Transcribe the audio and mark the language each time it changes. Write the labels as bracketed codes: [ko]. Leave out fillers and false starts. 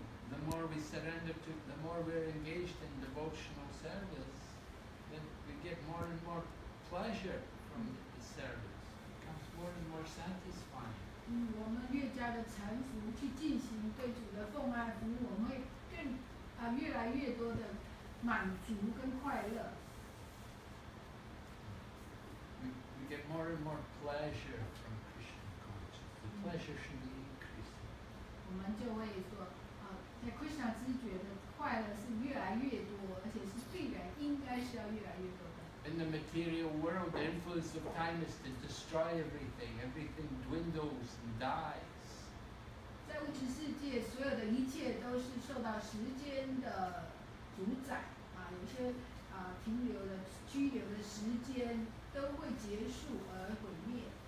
[en] The more we're engaged in devotional service, then we get more and more pleasure from the service. It becomes more and more satisfying. [zh] 我们越加的臣服去进行对主的奉爱服务，我们会更越来越多的满足跟快乐。 [en] We get more and more pleasure from Krishna consciousness. The pleasure should be increasing. [zh] 我们就会说。在 Krishna 知觉的快乐是越来越多，而且是必然，应该是要越来越多的。 [en] In the material world, the influence of time is to destroy everything. Everything dwindles and dies. [zh] 在物质世界，所有的一切都是受到时间的主宰啊，有些停留的、拘留的时间都会结束而毁灭。